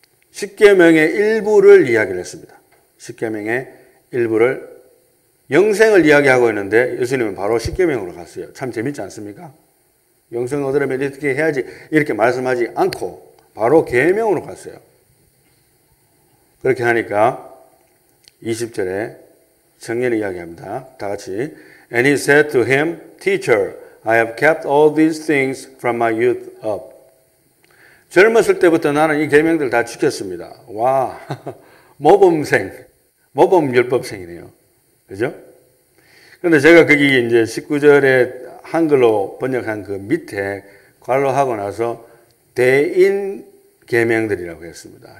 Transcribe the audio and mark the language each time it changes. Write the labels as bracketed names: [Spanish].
[Korean] 십계명의 일부를 이야기를 했습니다. 십계명의 일부를 영생을 이야기하고 있는데 예수님은 바로 십계명으로 갔어요. 참 재밌지 않습니까? 영생을 얻으려면 이렇게 해야지 이렇게 말씀하지 않고 바로 계명으로 갔어요. 그렇게 하니까 20절에 정년을 이야기합니다. 다 같이 [English] And he said to him, Teacher, I have kept all these things from my youth up. [Korean] 젊었을 때부터 나는 이 계명들 다 지켰습니다. 와, 모범생, 모범율법생이네요. 그죠? 그런데 제가 거기 이제 19절에 한글로 번역한 그 밑에 괄호하고 나서 대인 계명들이라고 했습니다.